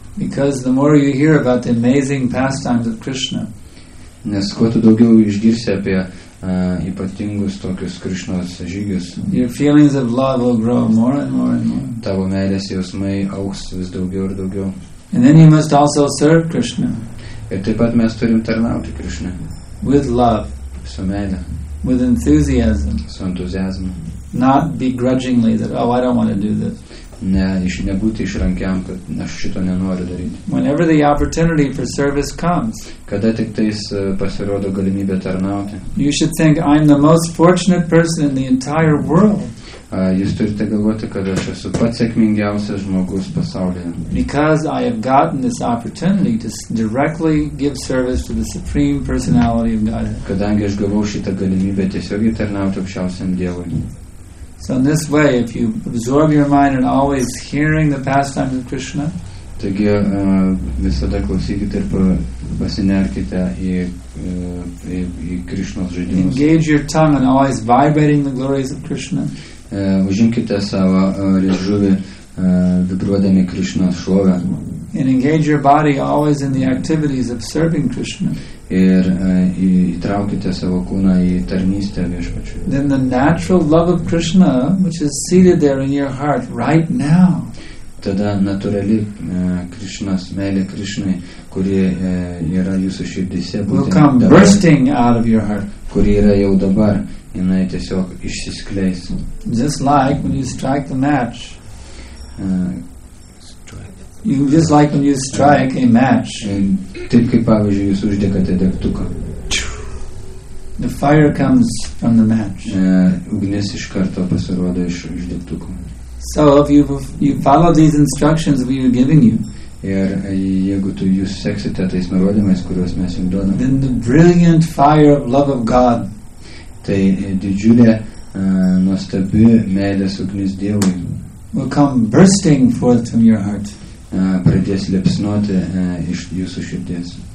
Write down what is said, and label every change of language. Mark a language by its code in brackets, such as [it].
[en] Because the more you hear about the amazing pastimes of Krishna, [lt] nes kuo tu daugiau išgirsi apie ypatingus tokius Krishnos žygius, [en] your feelings of love will grow more and more and more. [lt] Tavo meilės jausmai augs vis daugiau ir daugiau. [en] And then you must also serve Krishna. [lt] Ir taip pat mes turim tarnauti Krishna. [en] With love. [lt] Su meile. [en] With enthusiasm. [lt] Su entuziazmu. [en] Not begrudgingly that, oh, I don't want to do this. [lt] Ne, nebūti išrankiam, kad aš šito nenoriu daryti. [en] Whenever the opportunity for service comes, [lt] kada tik tais pasirodo galimybė tarnauti, [en] you should think, I'm the most fortunate person in the entire world. [lt] Jūs turite galvoti, kad aš esu pats sėkmingiausias žmogus pasaulyje. [en] Because I have gotten this opportunity to directly give service to the Supreme Personality of God. [lt] Kadangi aš gavau šitą galimybę tiesiogiai tarnauti aukščiausiam Dievui. [en] So in this way, if you absorb your mind and always hearing the pastimes of Krishna, [lt] taigi visada klausykite ir pasinerkite į Krishnos žaidimus. [en] Engage your tongue and always vibrating the glories of Krishna. [lt] Užimkite savo liežuvį vibruodami Krishnos šlovę. [en] And engage your body always in the activities of serving Krishna. [lt] Ir įtraukite savo kūną į tarnystę viešpačiui. [en] Then the natural love of Krishna, which is seated there in your heart right now. [lt] Tada natūrali Krishnos meilė Krishnai, kuri yra jūsų širdyse, [en] will come [lt] dabar, [en] bursting out of your heart. [lt] Kuri yra jau dabar, jinai tiesiog išsiskleis. [en] Just like when you strike the match. You just like when you strike a match. [lt] Taip kaip, pavyzdžiui, jūs uždegate degtuką. [en] The fire comes from the match. [lt] Ugnis iš karto pasirodo iš degtuko. [en] So if you follow these instructions we are giving you, [lt] ir jeigu tu jūs seksite tais nurodymais, kuriuos mes jums duodam, [en] then the brilliant fire of love of God, [lt] tai didžiulė nuostabi meilės ugnis Dievui, [en] will come bursting forth from your heart. [lt] Pradės liepsnoti iš jūsų širdies.